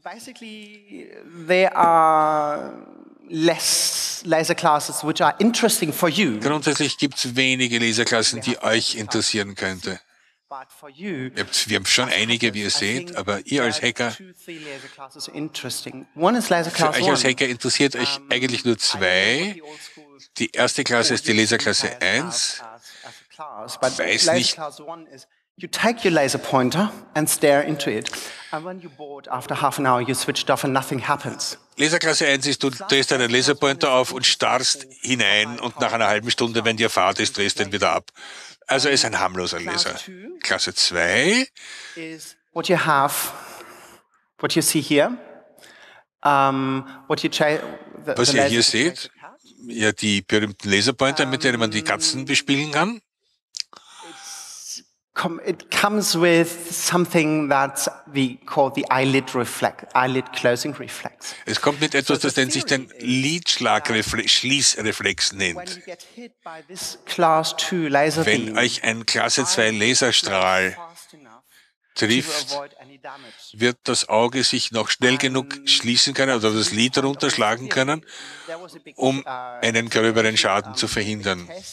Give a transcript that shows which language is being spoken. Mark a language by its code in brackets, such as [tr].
[en] Basically, there are less Laserklassen, which are interesting for you. [de] Grundsätzlich gibt's wenige Laserklassen, die euch interessieren könnte. Wir haben schon einige, wie ihr seht, aber ihr als Hacker, für euch als Hacker interessiert euch eigentlich nur zwei. Die erste Klasse ist die Laserklasse 1. Ich weiß nicht. [en] You take your laser pointer and stare into it. And when you're bored after half an hour, you switched off and nothing happens. [de] Laserklasse 1 ist, du drehst deinen Laserpointer auf und starrst hinein und nach einer halben Stunde, wenn dir fad ist, drehst du ihn wieder ab. Also ist ein harmloser Laser. Klasse 2 [en] ist, what you have, what you see here, what you [de] the was ihr hier seht, ja, die berühmten Laserpointer, mit denen man die Katzen bespielen kann. [en] It comes with something that we call the eyelid closing reflex. [de] Es kommt mit etwas, das nennt sich den Lidschlagschließreflex nennt. Wenn euch ein Klasse 2 Laserstrahl trifft, wird das Auge sich noch schnell genug schließen können oder das Lid runterschlagen können, um einen gröberen Schaden zu verhindern.